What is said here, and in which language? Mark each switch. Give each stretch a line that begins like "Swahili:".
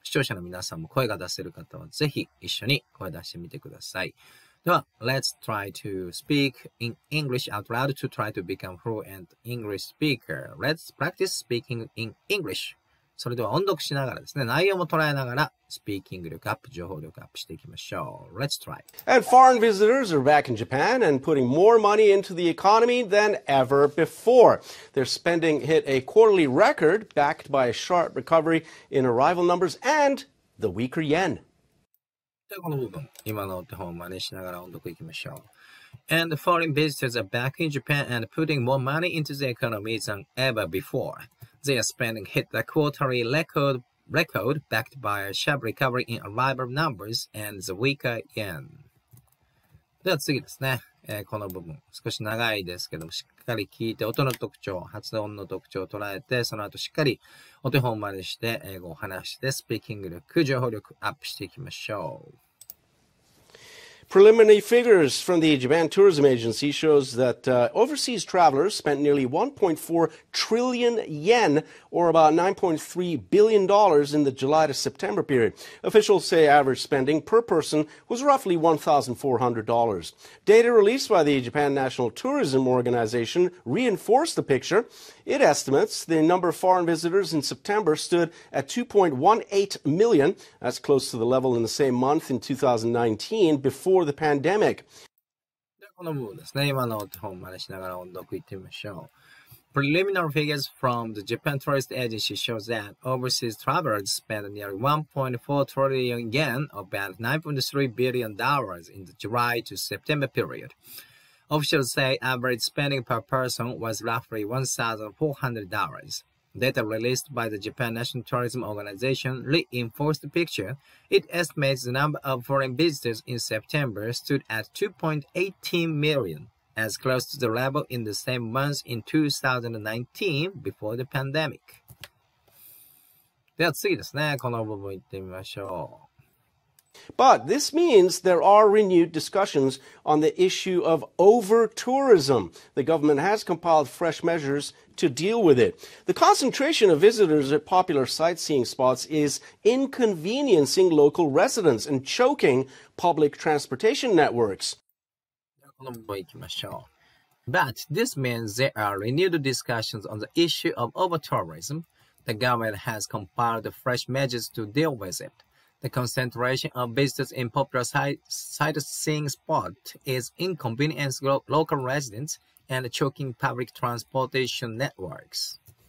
Japanese: 視聴者の皆さんも声が出せる方はぜひ一緒に声出してみてください。
English: では Let's try to speak in English out loud to try to become fluent English speaker. Let's practice speaking in English.
Japanese: それでは音読しながらですね、内容も捉えながらスピーキング力アップ、情報力アップしていきましょう。
English: Let's try. And foreign visitors are back in Japan and putting more money into the economy than ever before. Their spending hit a quarterly record backed by a sharp recovery in arrival numbers and the weaker yen.
Japanese: ではこの部分、今のお手本を真似しながら音読いきましょう。
English: And foreign visitors are back in Japan and putting more money into the economy than ever before. Their spending hit the quarterly record backed by a sharp recovery in arrival numbers and the weaker yen.
Japanese: では次ですね、この部分少し長いですけども、しっかり聞いて音の特徴、発音の特徴を捉えて、その後しっかりお手本を真似して英語を話してスピーキング力、情報力アップしていきましょう。
English: Preliminary figures from the Japan Tourism Agency shows that overseas travelers spent nearly 1.4 trillion yen, or about $9.3 billion in the July to September period. Officials say average spending per person was roughly $1,400. Data released by the Japan National Tourism Organization reinforced the picture. It estimates the number of foreign visitors in September stood at 2.18 million. That's close to the level in the same month in 2019, before the pandemic.
Japanese: ではこの部分ですね、今のお手本を真似しながら音読いってみましょう。
English: Preliminary figures from the Japan Tourist Agency show that overseas travelers spent nearly 1.4 trillion yen, or about $9.3 billion in the July to September period. Officials say average spending per person was roughly $1,400. Data released by the Japan National Tourism Organization reinforced the picture. It estimates the number of foreign visitors in September stood at 2.18 million, as close to the level in the same month in 2019 before the pandemic.
Japanese: では次ですね。この部分行ってみましょう。
English: But this means there are renewed discussions on the issue of over-tourism. The government has compiled fresh measures to deal with it. The concentration of visitors at popular sightseeing spots is inconveniencing local residents and choking public transportation networks.
Japanese: この部分行きましょう。
English: But this means there are renewed discussions on the issue of over-tourism. The government has compiled fresh measures to deal with it. The concentration of visitors in popular sightseeing spots is inconveniencing local residents and choking public transportation networks.